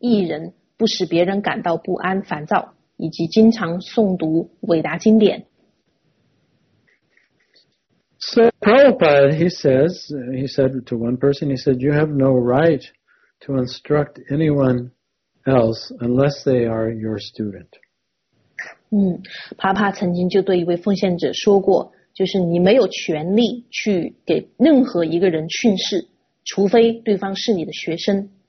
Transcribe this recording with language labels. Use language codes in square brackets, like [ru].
[zh] 所以大家可以看到，《薄伽梵歌》的第17章第15节，言语的苦行包括说话真诚，悦人益人，不使别人感到不安烦躁。 [en] So Prabhupada, he said to one person, he said, you have no right to instruct anyone else unless they are your student. [zh] 帕帕曾经就对一位奉献者说过，就是你没有权利去给任何一个人训示，除非对方是你的学生。